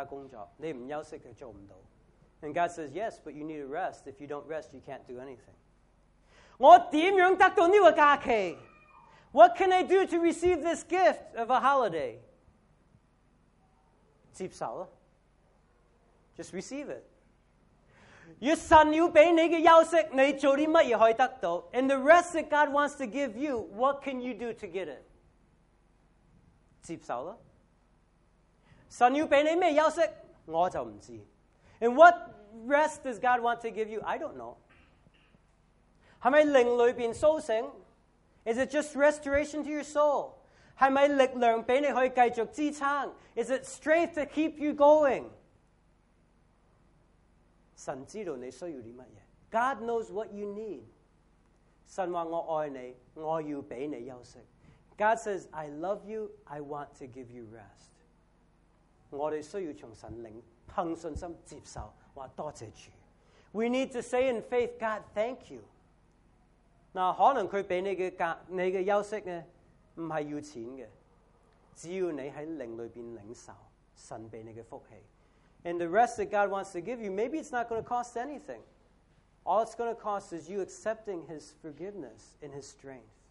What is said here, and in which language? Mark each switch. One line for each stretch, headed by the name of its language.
Chinese: 神说,是啊,但你需要休息才可以做其他工作,你不休息就做不到。
English: And God says, yes, but you need a rest. If you don't rest, you can't do anything.
Chinese: 我怎样得到这个假期?
English: What can I do to receive this gift of a holiday?
Chinese: 接受了,
English: just receive it.
Chinese: 神要给你的休息,你做些什么可以得到?
English: And the rest that God wants to give you, what can you do to get it?
Chinese: 接受了, 神要给你什么休息?我就不知。
English: And what rest does God want to give you? I don't know.
Chinese: 是不是灵里面苏醒?
English: Is it just restoration to your soul?
Chinese: 是不是力量给你可以继续支撑?
English: Is it strength to keep you going?
Chinese: 神知道你需要什么?
English: God knows what you need.
Chinese: 神说我爱你, 我要给你休息。
English: God says, I love you, I want to give you rest.
Chinese: 我们需要从神灵凭信心接受，说多谢主。
English: We need to say in faith, God, thank you.
Chinese: 那可能他给你的休息呢，不是要钱的，只要你在灵里面领受神给你的福气。
English: And the rest that God wants to give you, maybe it's not going to cost anything. All it's going to cost is you accepting His forgiveness and His strength.